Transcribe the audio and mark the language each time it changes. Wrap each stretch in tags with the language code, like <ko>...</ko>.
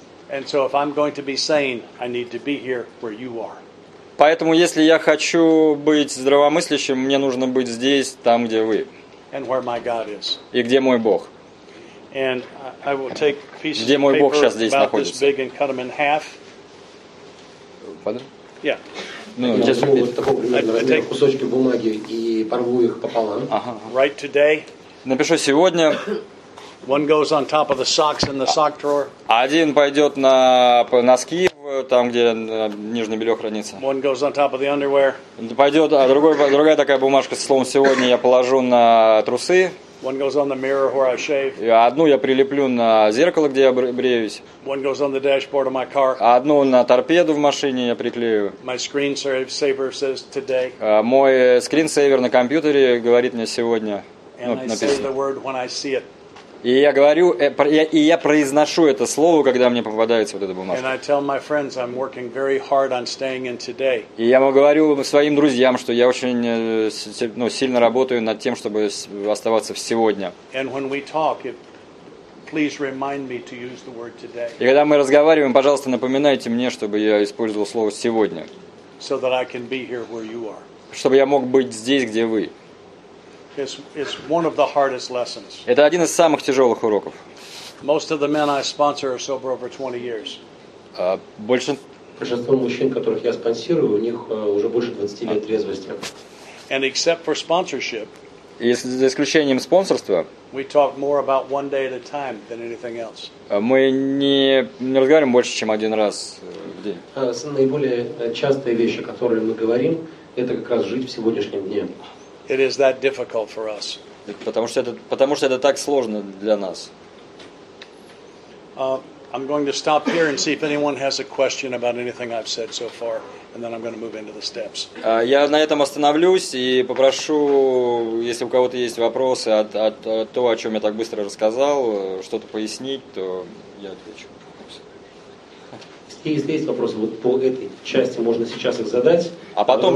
<en>And so if I'm going to be sane, I need to be here where you are.</en> <ru>Поэтому если я хочу быть здравомыслящим, мне нужно быть здесь, там, где вы.</ru> <en>And where my God is.</en> <ru>И где мой Бог?</ru> <en>And I will take pieces</en> <ru>где мой Бог сейчас здесь находится?</ru> <en>This big and cut them in half. Pardon? Yeah.</en> <ru>Ну, я возьму вот такой примерно размер кусочки бумаги и порву их пополам.</ru> <en>Write today.</en> <ru>Напишу сегодня.</ru> <en>One goes on top of the socks in the sock drawer.</en> <ru>Один пойдет на носки там, где нижнее белье хранится.</ru> <en>One goes on top of the underwear.</en> <ru>Пойдет, а другая такая бумажка со словом сегодня я положу на трусы.</ru> <en>One goes on the mirror where I shave.</en> <ru>Одну я прилеплю на зеркало, где я бреюсь.</ru> <en>One goes on the dashboard of my car.</en> <ru>Одну на торпеду в машине я приклею.</ru> <en>My screensaver says today.</en> <ru>Мой скринсейвер на компьютере говорит мне сегодня.</ru> <en>And I say the word when I see it.</en> <ru>И я говорю, и я произношу это слово, когда мне попадается вот эта бумажка.</ru> <en>And I tell my friends I'm working very hard on staying in today.</en> <ru>И я говорю своим друзьям, что я очень, ну, сильно работаю над тем, чтобы оставаться в сегодня.</ru> <en>And when we talk, please remind me to use the word today.</en> <ru>И когда мы разговариваем, пожалуйста, напоминайте мне, чтобы я использовал слово сегодня.</ru> <en>So that I can be here where you are.</en> <ru>Чтобы я мог быть здесь, где вы.</ru> <en>It's one of the hardest lessons.</en> <ru>Это один из самых тяжелых уроков.</ru> <en>Most of the men I sponsor are sober over 20 years.</en> <ru>Большинство мужчин, которых я спонсирую, у них уже больше 20 лет трезвости.</ru> <en>And except for sponsorship,</en> <ru>за исключением спонсорства,</ru> <en>we talk more about one day at a time than anything else.</en> <ru>Мы не разговариваем больше, чем один раз в день. Наиболее частые вещи, о которых мы говорим, это как раз жить в сегодняшнем дне.</ru> <en>It is that difficult for us.</en> <ru>Потому что это так сложно для нас.</ru> <en>I'm going to stop here and see if anyone has a question about anything I've said so far, and then I'm going to move into the steps.</en> <ru>Я на этом остановлюсь и попрошу, если у кого-то есть вопросы от того, о чем я так быстро рассказал, что-то пояснить, то я отвечу. Если есть вопросы вот по этой части, можно сейчас их задать. А потом</ru>